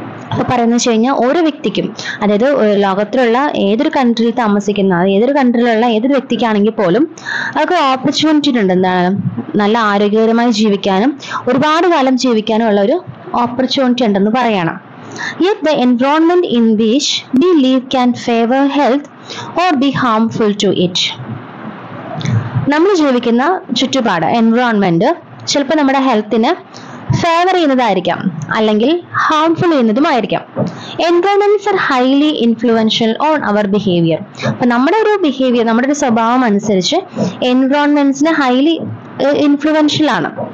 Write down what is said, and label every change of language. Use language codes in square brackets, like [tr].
[ml] അപ്പോൾ പറയുന്നത് വെച്ച് കഴിഞ്ഞാൽ ഓരോ വ്യക്തിക്കും, അതായത് ലോകത്തിലുള്ള ഏതൊരു കൺട്രിയിൽ താമസിക്കുന്ന ഏതൊരു കൺട്രിയിലുള്ള ഏതൊരു വ്യക്തിക്കാണെങ്കിൽ പോലും അവർക്ക് ഓപ്പർച്യൂണിറ്റി ഉണ്ട്, എന്താണ് നല്ല ആരോഗ്യകരമായി ജീവിക്കാനും ഒരുപാട് കാലം ജീവിക്കാനും ഉള്ള ഒരു ഓപ്പർച്യൂണിറ്റി ഉണ്ടെന്ന് പറയണം. [en] Yet the environment in which we live can favor health or be harmful to it. [ml] നമ്മൾ ജീവിക്കുന്ന ചുറ്റുപാട് എൻവയോൺമെന്റ് ചിലപ്പോൾ നമ്മുടെ ഹെൽത്തിന് ഫേവർ ചെയ്യുന്നതായിരിക്കാം അല്ലെങ്കിൽ harmful ചെയ്യുന്നതുമായിരിക്കാം. [en] Environments are highly influential on our behaviour. [ml] അപ്പൊ നമ്മുടെ ഒരു ബിഹേവിയർ, നമ്മുടെ ഒരു സ്വഭാവം അനുസരിച്ച് എൻവയോൺമെന്റ്സിന് ഹൈലി ഇൻഫ്ലുവൻഷ്യൽ ആണ്.